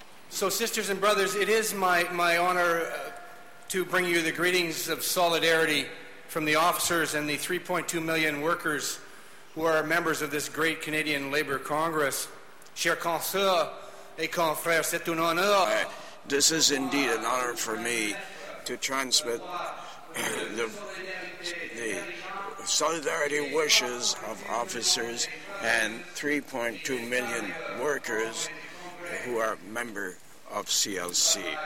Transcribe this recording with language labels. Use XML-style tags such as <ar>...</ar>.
<en>So, sisters and brothers, it is my honor to bring you the greetings of solidarity from the officers and the 3.2 million workers who are members of this great Canadian Labour Congress.</en> <fr>Chers consoeurs et confrères, c'est un honneur.</fr> <en>This is indeed an honor for me to transmit the solidarity wishes of officers and 3.2 million workers who are member of CLC.</en>